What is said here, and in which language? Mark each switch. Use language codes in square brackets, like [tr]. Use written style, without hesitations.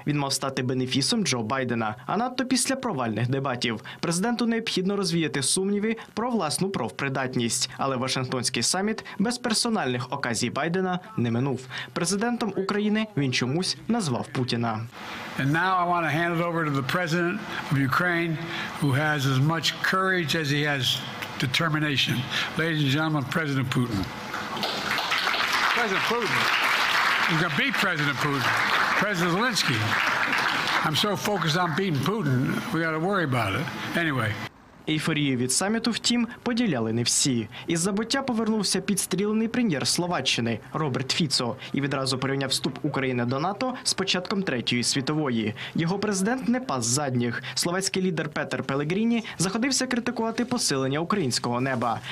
[uk] Він мав стати бенефісом Джо Байдена. А надто після провальних дебатів. Президенту необхідно розвіяти сумніви про власну профпридатність. Але Вашингтонський саміт без персональних оказій Байдена не минув. Президентом України він чомусь назвав Путіна. [en] And now I want to hand it over to the president of Ukraine, who has as much courage as he has determination. Ladies and gentlemen, President Putin. President Putin. You're going to beat President Putin. President Zelensky. I'm so focused on beating Putin, we got to worry about it. Anyway. [uk] Ейфорію від саміту, втім, поділяли не всі. Із забуття повернувся підстрілений прем'єр Словаччини Роберт Фіцо і відразу порівняв вступ України до НАТО з початком Третьої світової. Його президент не пас задніх. Словацький лідер Петер Пелегріні заходився критикувати посилення українського неба.